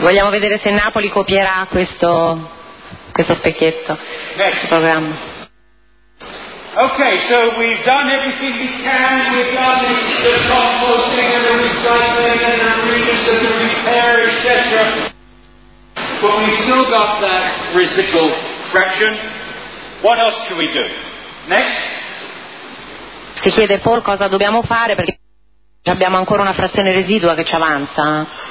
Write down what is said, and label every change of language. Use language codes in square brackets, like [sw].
[it] Vogliamo vedere se Napoli copierà questo specchietto. [en] Next program. Okay, so we've done everything we can. We've done the composting and the recycling and the reuse and the repair, etc. But we still got that residual fraction. What else can we do? Next. [it] Si chiede Paul cosa dobbiamo fare perché abbiamo ancora una frazione residua che ci avanza.